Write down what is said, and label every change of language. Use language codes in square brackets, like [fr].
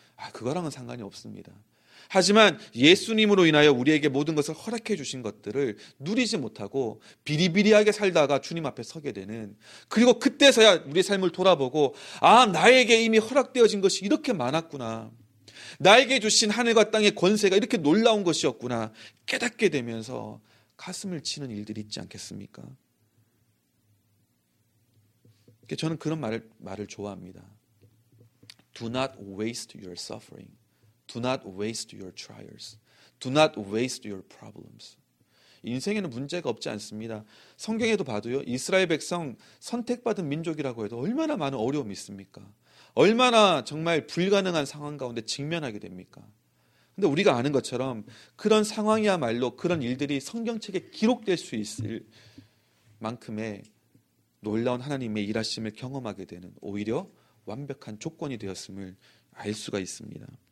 [ko] 아, 그거랑은 상관이 없습니다. 하지만 예수님으로 인하여 우리에게 모든 것을 허락해 주신 것들을 누리지 못하고 비리비리하게 살다가 주님 앞에 서게 되는, 그리고 그때서야 우리 삶을 돌아보고 아, 나에게 이미 허락되어진 것이 이렇게 많았구나, 나에게 주신 하늘과 땅의 권세가 이렇게 놀라운 것이었구나 깨닫게 되면서 가슴을 치는 일들이 있지 않겠습니까? 저는 그런 말을 좋아합니다. [en] Do not waste your suffering. Do not waste your trials. Do not waste your problems. [ko] 인생에는 문제가 없지 않습니다. 성경에도 봐도요, 이스라엘 백성 선택받은 민족이라고 해도 얼마나 많은 어려움이 있습니까? 얼마나 정말 불가능한 상황 가운데 직면하게 됩니까? 근데 우리가 아는 것처럼 그런 상황이야말로 그런 일들이 성경책에 기록될 수 있을 만큼의 놀라운 하나님의 일하심을 경험하게 되는 오히려 완벽한 조건이 되었음을 알 수가 있습니다.